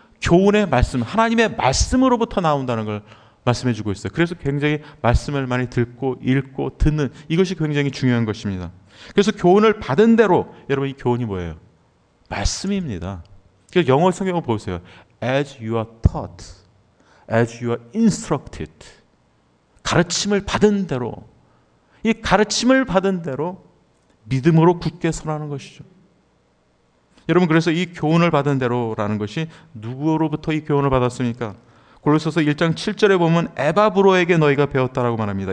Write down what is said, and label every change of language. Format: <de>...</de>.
<ko>교훈의 말씀, 하나님의 말씀으로부터 나온다는 걸 말씀해 주고 있어요. 그래서 굉장히 말씀을 많이 듣고 읽고 듣는 이것이 굉장히 중요한 것입니다. 그래서 교훈을 받은 대로 여러분 이 교훈이 뭐예요? 말씀입니다. 그래서 영어 성경을 보세요.</ko> <en>As you are taught, as you are instructed.</en> <ko>가르침을 받은 대로, 이 가르침을 받은 대로 믿음으로 굳게 서라는 것이죠. 여러분 그래서 이 교훈을 받은 대로라는 것이 누구로부터 이 교훈을 받았습니까? 골로새서 1장 7절에 보면 에바브로에게 너희가 배웠다라고 말합니다.</ko>